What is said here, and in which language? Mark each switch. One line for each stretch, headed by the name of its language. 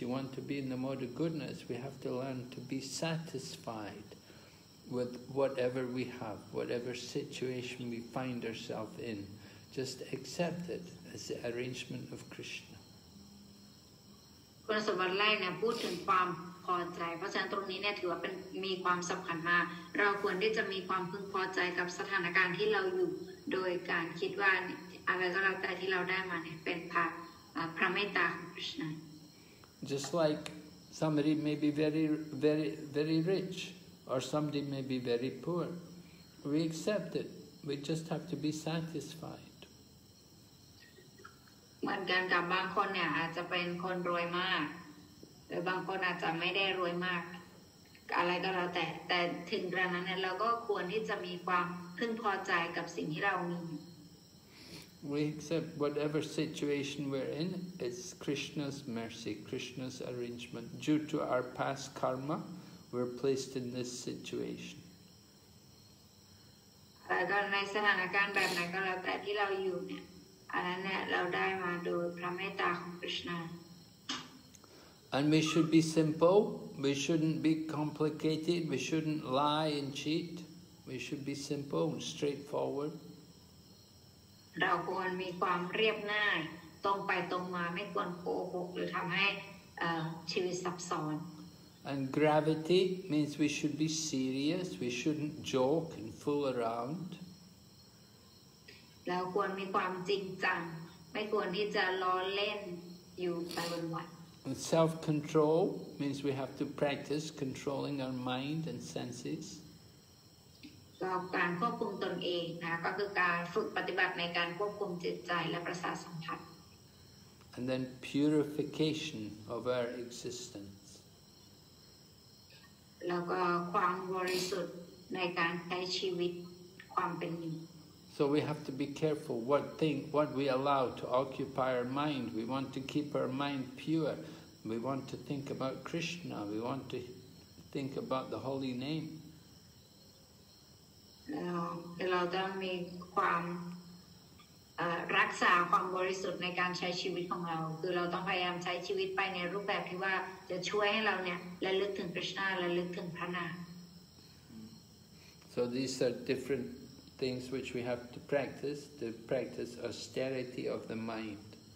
English: You want to be in the mode of goodness, we have to learn to be satisfied with whatever we have, whatever situation we find ourselves in. Just accept itas the arrangement of Krishna.
Thai: คุณสมบัติแรกเนี่ยพูดถึงความพอใจเพราะฉะนั้นตรงนี้เนี่ยถือว่าเป็นมีความสำคัญมากเราควรที่จะมีความพึงพอใจกับสถานการณ์ที่เราอยู่โดยการคิดว่าอะไรก็แล้วแต่ที่เราได้มาเนี่ยเป็นพระเมตตาของ Krishna.
English: Just like somebody may be very very very rich or somebody may be very poor, we accept it. We just have to be satisfied.
Thai: เหมือนกันกับบางคนเนี่ยอาจจะเป็นคนรวยมากหรือบางคนอาจจะไม่ได้รวยมากอะไรก็แล้วแต่แต่ถึงกระนั้นเนี่ยเราก็ควรที่จะมีความพึงพอใจกับสิ่งที่เรามี
English: We accept whatever situation we're in is Krishna's mercy, Krishna's arrangement. Due to our past karma, we're placed in this situation.
Thai: แต่ก็ในสถานการณ์แบบไหนก็แล้วแต่ที่เราอยู่เนี่ยอันนั้นเราได้มาโดยพระเมตตาของ Krishna
English: And we should be simple we shouldn't be complicated we shouldn't lie and cheat we should be simple and straightforward
Thai: เราควรมีความเรียบง่ายตรงไปตรงมาไม่ควรโกหกหรือทำให้ชีวิตซับซ้อน
English: And gravity means we should be serious we shouldn't joke and fool around
Thai: เราควรมีความจริงจังไม่ควรที่จะล้อเล่นอยู่ไปวัน
English: วัน self control means we have to practice controlling our mind and senses
Thai: ก็การควบคุมตนเองนะก็คือการฝึกปฏิบัติในการควบคุมจิตใจและประสาทสัมผัส
English: and then purification of our existence
Thai: แล้วก็ความบริสุทธิ์ในการใช้ชีวิตความเป็นอยู่
English: So we have to be careful what we allow to occupy our mind. We want to keep our mind pure. We want to think about Krishna. We want to think about the holy name.
Thai: เราต้องมีความรักษาความบริสุทธิ์ในการใช้ชีวิตของเราคือเราต้องพยายามใช้ชีวิตไปในรูปแบบที่ว่าจะช่วยให้เราเนี่ยระลึกถึงคริสต์นาระลึกถึงพระนาม
English: So these are different. Things which we have to practice austerity of the mind.